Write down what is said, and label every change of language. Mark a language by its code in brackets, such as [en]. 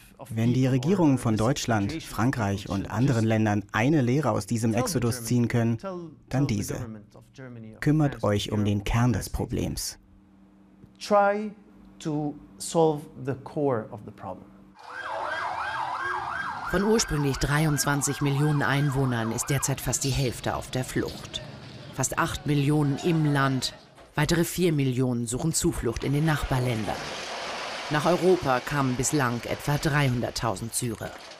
[de] Wenn die Regierungen von Deutschland, Frankreich und anderen Ländern eine Lehre aus diesem Exodus ziehen können, dann diese. Kümmert euch um den Kern des Problems. [en] Try to solve the core of the problem. [de] Von ursprünglich 23 Millionen Einwohnern ist derzeit fast die Hälfte auf der Flucht. Fast 8 Millionen im Land, weitere 4 Millionen suchen Zuflucht in den Nachbarländern. Nach Europa kamen bislang etwa 300.000 Syrer.